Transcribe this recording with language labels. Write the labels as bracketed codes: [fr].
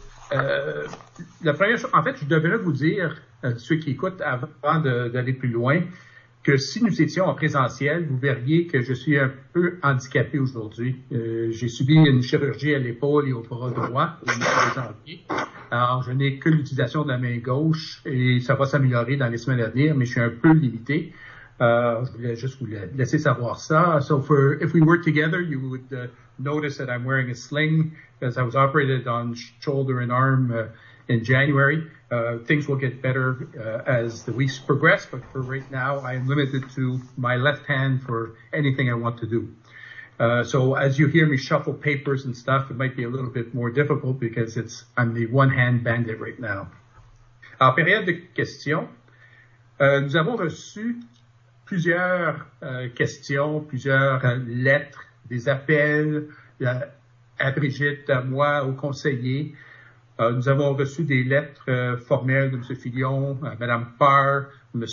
[fr] La première chose, en fait, je devrais vous dire, ceux qui écoutent, avant d'aller plus loin, que si nous étions en présentiel, vous verriez que je suis un peu handicapé aujourd'hui. J'ai subi une chirurgie à l'épaule et au bras droit au mois de janvier. Alors, je n'ai que l'utilisation de la main gauche et ça va s'améliorer dans les semaines à venir, mais je suis un peu limité. Je voulais juste vous laisser savoir ça. [en] So, if we were together, you would notice that I'm wearing a sling because I was operated on shoulder and arm in January. Things will get better as the weeks progress, but for right now, I am limited to my left hand for anything I want to do. So as you hear me shuffle papers and stuff, it might be a little bit more difficult because I'm the one-hand bandit right now. [fr] En période de questions, nous avons reçu plusieurs questions, plusieurs lettres, des appels à Brigitte, à moi, aux conseillers. Nous avons reçu des lettres formelles de M. Fillon, Mme Parr, M.